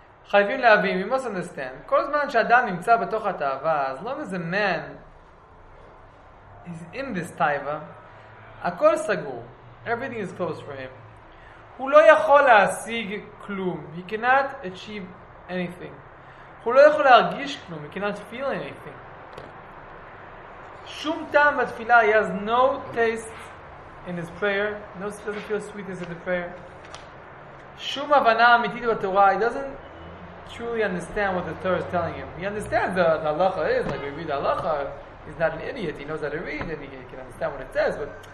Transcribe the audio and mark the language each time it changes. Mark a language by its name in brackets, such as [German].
[Hebrew] Chayvim leavim, [English] we must understand. [Hebrew] Kol zman shadam nimtza b'toch ha-ta'ava, [English] as long as a man is in this taiva, [Hebrew] akol sagur, [English] everything is closed for him. [Hebrew] Hu lo yachol la'asig klum, [English] he cannot achieve anything. [Hebrew] הוא לא יכול להרגיש כלום. [English] He cannot feel anything. [Hebrew] שום טעם בתפילה. [English] He has no taste in his prayer. No, he doesn't feel sweetness in the prayer. [Hebrew] שום הבנה אמיתית בתורה. [English] He doesn't truly understand what the Torah is telling him. He understands what the halacha is. Like we read halacha. He's not an idiot. He knows how to read and he can understand what it says. But